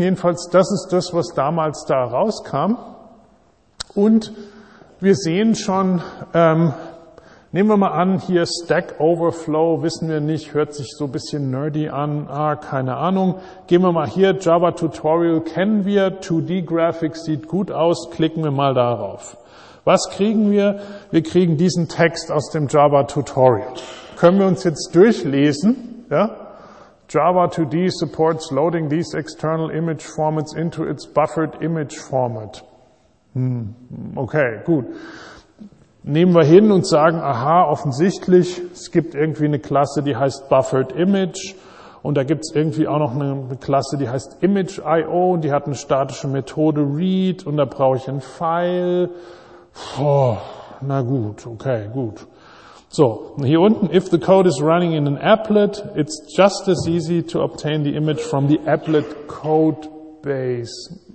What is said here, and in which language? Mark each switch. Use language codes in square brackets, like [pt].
[de] Jedenfalls, das ist das, was damals da rauskam. Und wir sehen schon, nehmen wir mal an, hier Stack Overflow, wissen wir nicht, hört sich so ein bisschen nerdy an, keine Ahnung. Gehen wir mal hier, Java Tutorial kennen wir, 2D-Graphics sieht gut aus, klicken wir mal darauf. Was kriegen wir? Wir kriegen diesen Text aus dem Java Tutorial. Können wir uns jetzt durchlesen? Ja? [en] Java 2D supports loading these external image formats into its buffered image format. [de] Okay, gut. Nehmen wir hin und sagen, aha, offensichtlich, es gibt irgendwie eine Klasse, die heißt Buffered Image und da gibt es irgendwie auch noch eine Klasse, die heißt Image.io und die hat eine statische Methode Read und da brauche ich ein File. Oh, na gut, okay, gut. So, hier unten, [en] if the code is running in an applet, it's just as easy to obtain the image from the applet code base.